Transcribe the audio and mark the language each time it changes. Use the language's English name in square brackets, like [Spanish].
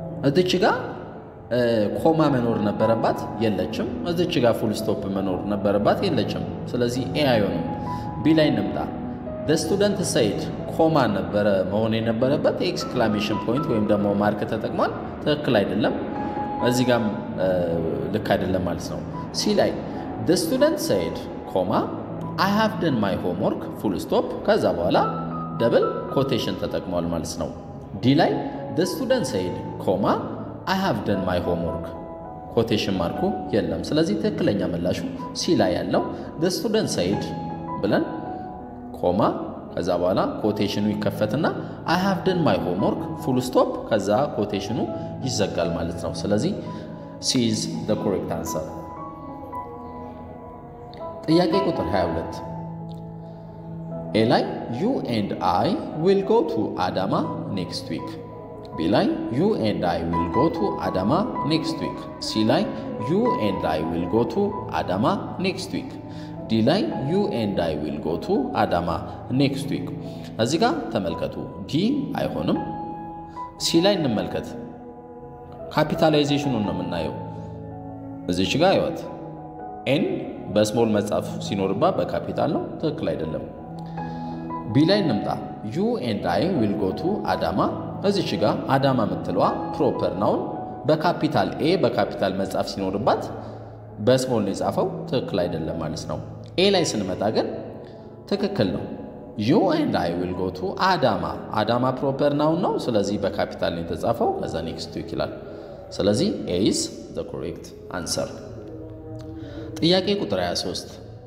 [Amharic] እዚች ጋር ኮማ መኖር ነበረባት የለችም። እዚች ጋር full stop መኖር ነበረባት የለችም። ስለዚህ a አይሆንም። b ላይ እንምጣ [English] the student said ኮማ ነበረ መሆን የነበረበት exclamation point ወይም ደግሞ mark ተጠቅሟል ትክክል አይደለም። እዚህ ጋር ልክ አይደለም ማለት ነው። c ላይ the student said comma i have done my homework full stop [Amharic] ከዛ በኋላ [English] double quotation [Amharic] ተጠቅመዋል ማለት ነው። [English] D ላይ the student said, comma, I have done my homework. [Amharic] quotation mark የለም። ስለዚህ ትክክለኛ መልሱ C ላይ ያለው the student said ብለን comma ከዛ በኋላ quotationu ይከፈትና I have done my homework full stop ከዛ quotationu ይዘጋል ማለት ነው። ስለዚህ [English] C is the correct answer. [Amharic] ጥያቄ ቁጥር 22 [English] Eli, you and I will go to Adama next week. Bilai, you and I will go to Adama next week. Silai, you and I will go to Adama next week. Dilai, you and I will go to Adama next week. [Amharic] እዚህ ጋር ተመልከቱ። D አይሆንም። Silai እንመልከት። ካፒታላይዜሽኑን ነው የምናየው። እዚህ ጋር ይወት N በስሞል መጻፍ ሲኖርባ በካፒታል ነው። ትክክል አይደለም። ቢላይ ንምጣ [English] you and i will go to adama [Amharic] እዚች ጋር adama ምትለዋ proper noun በካፒታል a በካፒታል መጻፍ ሲኖርባት በስሞል ነው የጻፈው ትክክል አይደለም ማለት ነው። a ላይ ስንመጣ ግን ትክክል ነው you and i will go to adama adama proper noun ነው ስለዚህ በካፒታል ነው የተጻፈው ከዛ next week ይላል ስለዚህ [English] a is the correct answer። [Amharic] ጥያቄ ቁጥር 23